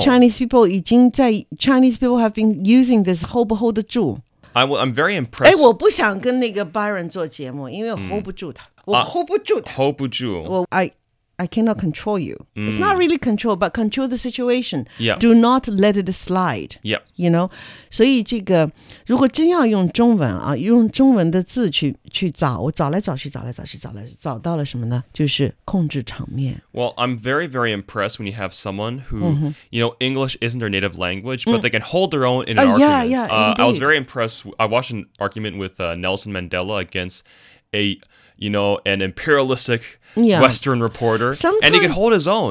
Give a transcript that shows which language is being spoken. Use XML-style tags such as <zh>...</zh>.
<en>Chinese people have been using this hold不住. I'm very impressed.</en> <zh>我不想跟那个Byron做节目，因为hold不住他。我hold不住他。 Hold不住。</zh> <en>I I cannot control you. Mm. It's not really control, but control the situation. Yeah. Do not let it slide. Yeah. You know?</en> <zh>所以这个如果真要用中文啊用中文的字去找我找来找去找来找去找来找到了什么呢就是控制场面。</zh> <en>Well, I'm very, very impressed when you have someone who,、mm-hmm. you know, English isn't their native language, but、mm. they can hold their own in an argument. Yeah, yeah, indeed. I was very impressed. I watched an argument with、Nelson Mandela against a... You know, an imperialistic、yeah. Western reporter. Sometimes, and he can hold his own.</en>